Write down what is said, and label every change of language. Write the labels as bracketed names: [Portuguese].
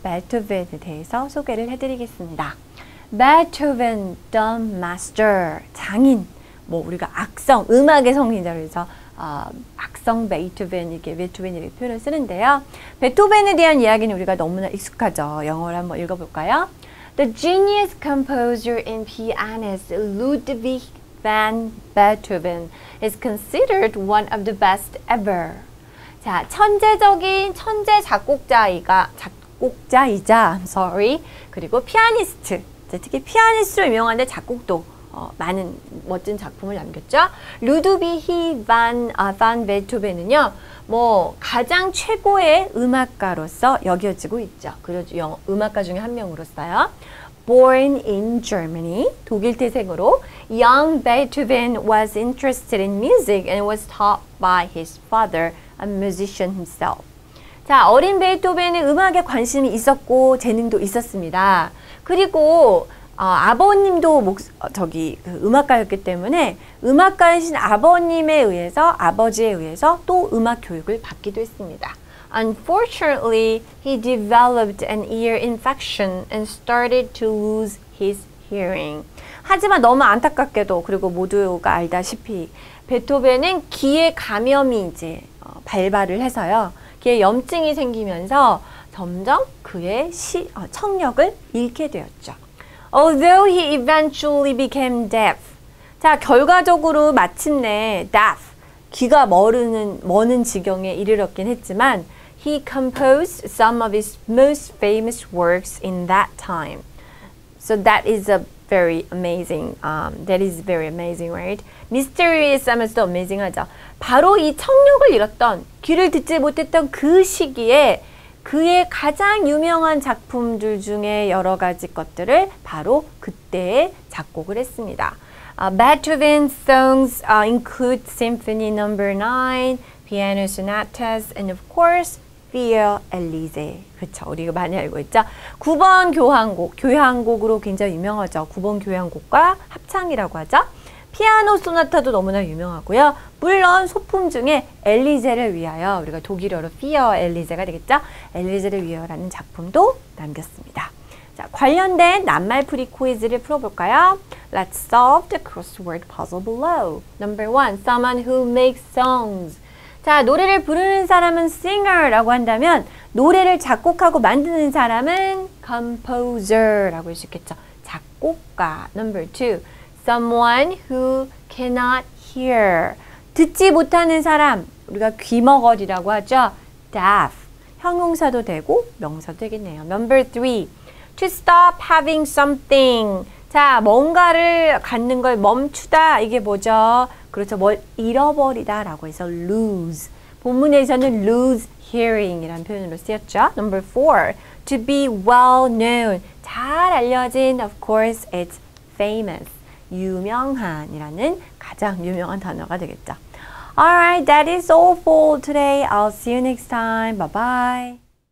[Korean] 베토벤에 대해서 소개를 해드리겠습니다. [English] Beethoven, the master, [Korean] 장인, 뭐 우리가 악성, 음악의 성인자 그래서 악성 베토벤, 이렇게 베토벤이라고 표현을 쓰는데요. 베토벤에 대한 이야기는 우리가 너무나 익숙하죠. 영어로 한번 읽어볼까요? [English] The genius composer and pianist Ludwig Van Beethoven is considered one of the best ever. [Korean] 자, 천재적인 천재 작곡자이자 sorry. 그리고 피아니스트. 자, 특히 피아니스트로 유명한데 작곡도 많은 멋진 작품을 남겼죠. 루드비히 반 베토벤은요. 뭐 가장 최고의 음악가로서 여겨지고 있죠. 그래서 음악가 중에 한 명으로서요. [English] Born in Germany, [Korean] 독일 태생으로 [English] young Beethoven was interested in music and was taught by his father, a musician himself. [Korean] 자, 어린 베토벤은 음악에 관심이 있었고 재능도 있었습니다. 그리고 아버님도 음악가였기 때문에 음악가이신 아버님에 의해서 아버지에 의해서 또 음악 교육을 받기도 했습니다. [English] Unfortunately, he developed an ear infection and started to lose his hearing. [Korean] 하지만 너무 안타깝게도 그리고 모두가 알다시피 베토벤은 귀에 감염이 이제 발발을 해서요. 귀에 염증이 생기면서 점점 그의 청력을 잃게 되었죠. [English] Although he eventually became deaf. [Korean] 자, 결과적으로 마침내 deaf, 귀가 머는 지경에 이르렀긴 했지만 [English] He composed some of his most famous works in that time. So that is a very amazing. That is very amazing, right? [Korean] Mysterious, 하면서도 amazing 하죠. 바로 이 청력을 잃었던, 귀를 듣지 못했던 그 시기에 그의 가장 유명한 작품들 중에 여러 가지 것들을 바로 그때에 작곡을 했습니다. [English] Beethoven's songs include Symphony No. 9, Piano Sonatas, and of course, Fiel Elise. [Korean] 그렇죠. 우리가 많이 알고 있죠. 9번 교향곡. 교향곡으로 굉장히 유명하죠. 9번 교향곡과 합창이라고 하죠. 피아노 소나타도 너무나 유명하고요. 물론 소품 중에 엘리제를 위하여 우리가 독일어로 Fiel Elise가 되겠죠. 엘리제를 위하여라는 작품도 남겼습니다. 자, 관련된 낱말풀이 퀴즈를 풀어볼까요? [English] Let's solve the crossword puzzle below. Number 1. Someone who makes songs. [Korean] 자, 노래를 부르는 사람은 singer라고 한다면 노래를 작곡하고 만드는 사람은 composer라고 할 수 있겠죠. [English] 작곡가. Number 2. Someone who cannot hear. [Korean] 듣지 못하는 사람. 우리가 귀머거리라고 하죠. [English] deaf. [Korean] 형용사도 되고 명사도 되겠네요. [English] Number 3. To stop having something. [Korean] 자, 뭔가를 갖는 걸 멈추다. 이게 뭐죠? 그렇죠. 뭘 잃어버리다 라고 해서 lose. 본문에서는 lose hearing 이라는 표현으로 쓰였죠. [English] Number 4. To be well known. [Korean] 잘 알려진 [English] of course it's famous. [Korean] 유명한 이라는 가장 유명한 단어가 되겠죠. [English] Alright, that is all for today. I'll see you next time. Bye bye.